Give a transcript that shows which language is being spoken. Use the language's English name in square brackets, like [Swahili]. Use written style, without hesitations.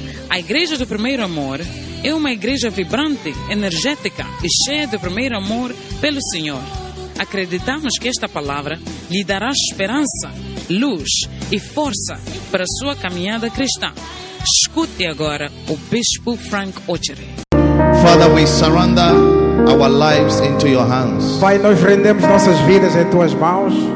[Portuguese] A Igreja do Primeiro Amor é uma igreja vibrante, energética e cheia do primeiro amor pelo Senhor. Acreditamos que esta palavra lhe dará esperança, luz e força para a sua caminhada cristã. Escute agora o Bispo Frank Ochery. [English] Father, we surrender our lives into your hands. [Portuguese] Pai, nós rendemos nossas vidas em tuas mãos.